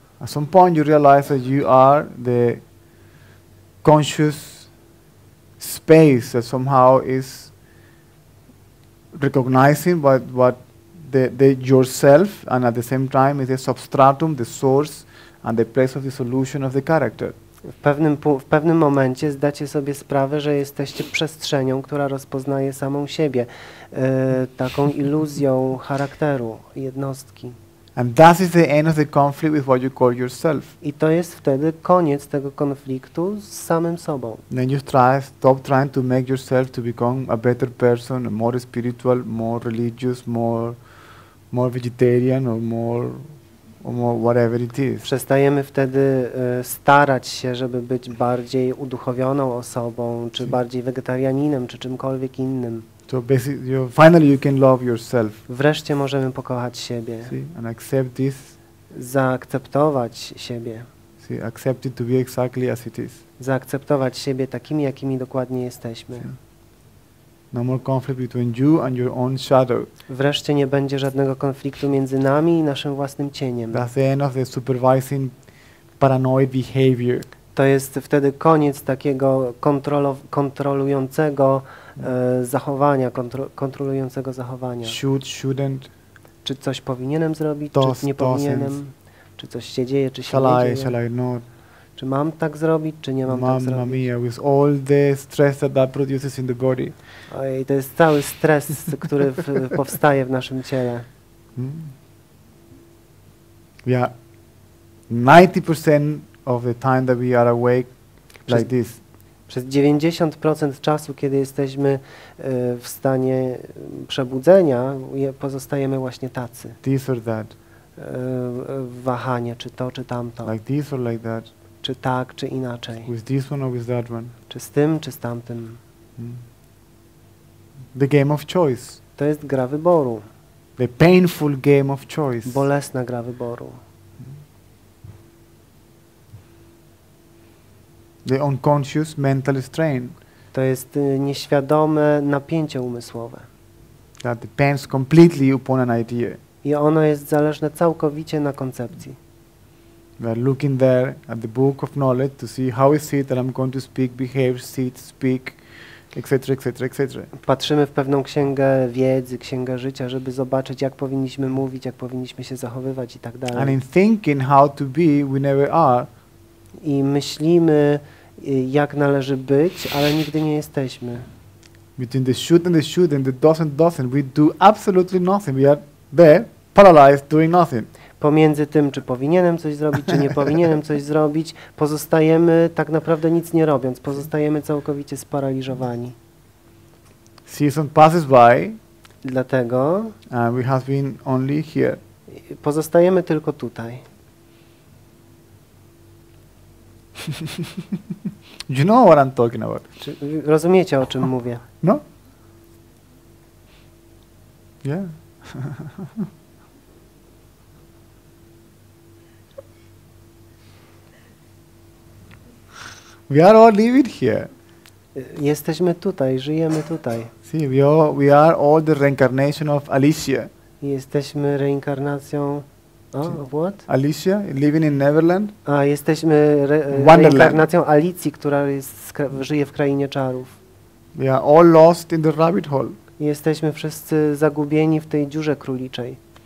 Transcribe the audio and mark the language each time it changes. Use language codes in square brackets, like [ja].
[en] At some point you realize that you are the conscious space that somehow is recognizing what the yourself and at the same time is the substratum, the source. And the place of the solution of the character. [pl] W pewnym momencie zdacie sobie sprawę, że jesteście przestrzenią, która rozpoznaje samą siebie, taką iluzją charakteru jednostki. [en] And that is the end of the conflict with what you call yourself. [pl] I to jest wtedy koniec tego konfliktu z samym sobą. [en] Then you try, stop trying to make yourself to become a better person, more spiritual, more religious, more vegetarian or more whatever it is. [pl] Przestajemy wtedy starać się, żeby być bardziej uduchowioną osobą, czy bardziej wegetarianinem, czy czymkolwiek innym. [en] So basically, finally you can love yourself. [pl] Wreszcie możemy pokochać siebie. [en] See, and accept this. [pl] Zaakceptować siebie. [en] See, accept it to be exactly as it is. [pl] Zaakceptować siebie takimi, jakimi dokładnie jesteśmy. [en] See. No more conflict between you and your own shadow. [pl] Wreszcie nie będzie żadnego konfliktu między nami i naszym własnym cieniem. [en] That's the end of the supervising paranoid behavior. [pl] To jest wtedy koniec takiego kontrolującego zachowania, kontrolującego zachowania. [en] Shouldn't. [pl] Czy coś powinienem zrobić, czy nie powinienem? Czy coś się dzieje, czy się nie dzieje? [en] Shall I not? [pl] Czy mam tak zrobić, czy nie mam tak zrobić? [it] Mamma mia, [en] with all the stress that produces in the body. [pl] Ojej, to jest cały stres, który powstaje w naszym ciele. [en] Yeah. 90% of the time that we are awake like this. [pl] Przez 90% czasu, kiedy jesteśmy w stanie przebudzenia, pozostajemy właśnie tacy. [en] This or that. [pl] Wahanie, czy to, czy tamto. [en] Like this or like that. [pl] Czy tak, czy inaczej. [en] With this one or with that one. [pl] Czy z tym, czy z tamtym. [en] The game of choice. [pl] To jest gra wyboru. [en] The painful game of choice. [pl] Bolesna gra wyboru. [en] The unconscious mental strain. [pl] To jest nieświadome napięcie umysłowe. [en] That depends completely upon an idea. [pl] I ono jest zależne całkowicie na koncepcji. [en] We are looking there at the book of knowledge to see how is it that I'm going to speak, behave, sit, speak, etc., etc., etc. [pl] Patrzymy w pewną księgę wiedzy, księgę życia, żeby zobaczyć, jak powinniśmy mówić, jak powinniśmy się zachowywać i tak dalej. [en] And in thinking how to be, we never are. [pl] I myślimy, jak należy być, ale nigdy nie jesteśmy. [en] Between the should and the shouldn't, the does and doesn't, we do absolutely nothing. We are there, paralyzed, doing nothing. [pl] Pomiędzy tym, czy powinienem coś zrobić, czy nie powinienem coś zrobić, pozostajemy tak naprawdę nic nie robiąc. Pozostajemy całkowicie sparaliżowani. [en] Season passes by. [pl] Dlatego. [en] And we have been only here. [pl] Pozostajemy tylko tutaj. [en] You know what I'm talking about. [pl] Czy rozumiecie, o czym mówię? [en] No. Yeah. We are all living here. [pl] Jesteśmy tutaj, żyjemy tutaj. [en] See, we are all the reincarnation of Alicia. [pl] Jesteśmy reinkarnacją. [en] Oh, what? Alicia, living in Neverland? [pl] A, jesteśmy reinkarnacją Alicji, która żyje w krainie czarów. [en] We are all lost in the rabbit hole. [pl] Jesteśmy wszyscy zagubieni w tej dziurze króliczej.